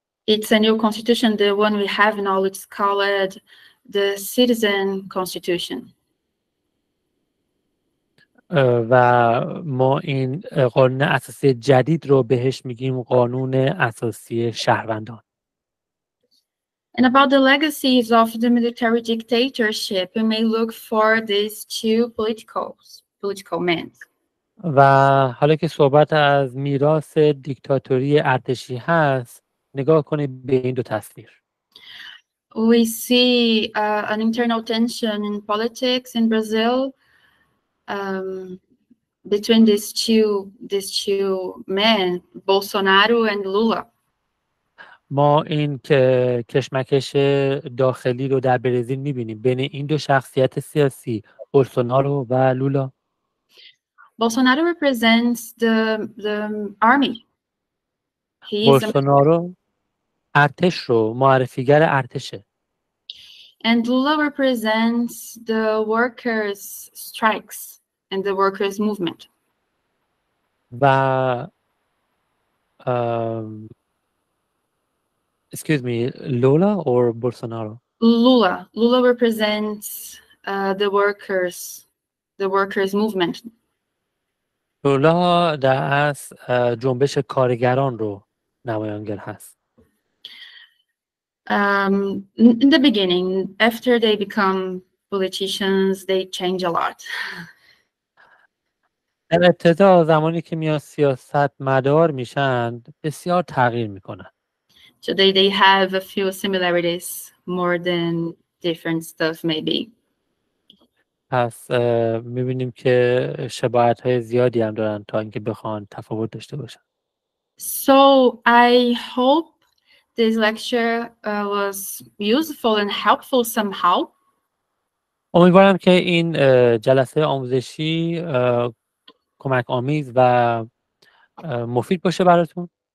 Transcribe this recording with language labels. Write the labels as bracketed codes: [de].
[en] It's a new constitution, the one we have now. It's called the citizen constitution. [fa] و ما این قانون اساسی جدید رو بهش میگیم قانون اساسی شهروندان. [en] And about the legacies of the military dictatorship, we may look for these two political men. [fa] و حالا که صحبت از میراث دیکتاتوری ارتشی هست، نگاه کنید به این دو تصویر. [en] We see an internal tension in politics in Brazil between these two men, Bolsonaro and Lula. [fa] ما این کشمکش داخلی رو در برزیل می‌بینیم بین این دو شخصیت سیاسی، بولسونارو و لولا. [en] Bolsonaro represents the army. [fa] بولسونارو ارتش رو، معرفیگر ارتشه. [en] And Lula represents the workers' strikes and the workers' movement. و excuse me, Lula or Bolsonaro? Lula represents the workers, the workers' movement. [fa] رولاها در اصل جنبش کارگران رو نمایانگر هست. [en] In the beginning, after they become politicians, they change a lot. [fa] در ابتدا زمانی که میان سیاست مدار میشن بسیار تغییر میکنن. [en] So they have a few similarities more than different stuff maybe. [fa] پس میبینیم که شباهت های زیادی هم دارن تا اینکه بخوان تفاوت داشته باشن. [en] So I hope this lecture was useful and helpful somehow. [fa] امیدوارم که این جلسه آموزشی کمک آمیز و مفید باشه براتون.